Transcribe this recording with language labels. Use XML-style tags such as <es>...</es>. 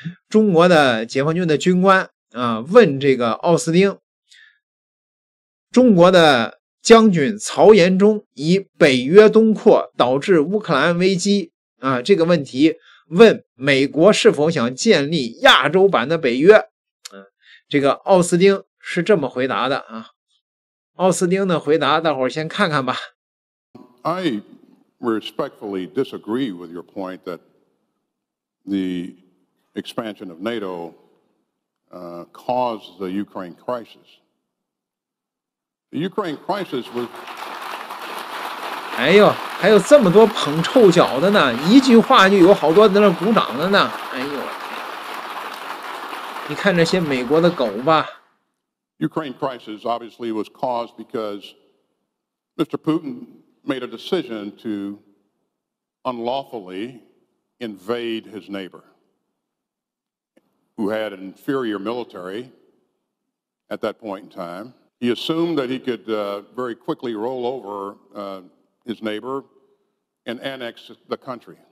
<zh>中国的解放军的军官啊，问这个奥斯汀，中国的将军曹延忠以北约东扩导致乌克兰危机啊这个问题，问美国是否想建立亚洲版的北约？这个奥斯汀是这么回答的啊。奥斯汀的回答，大伙儿先看看吧。</zh> <en>I respectfully disagree with your point that the expansion of NATO, caused the Ukraine crisis. The Ukraine crisis was</en> <zh>哎呦，还有这么多捧臭脚的呢，一句话就有好多在那鼓掌的呢。哎呦，你看这些美国的狗吧。</zh> <en>Ukraine crisis obviously was caused because Mr. Putin made a decision to unlawfully invade his neighbor, who had an inferior military at that point in time. He assumed that he could very quickly roll over his neighbor and annex the country.</en>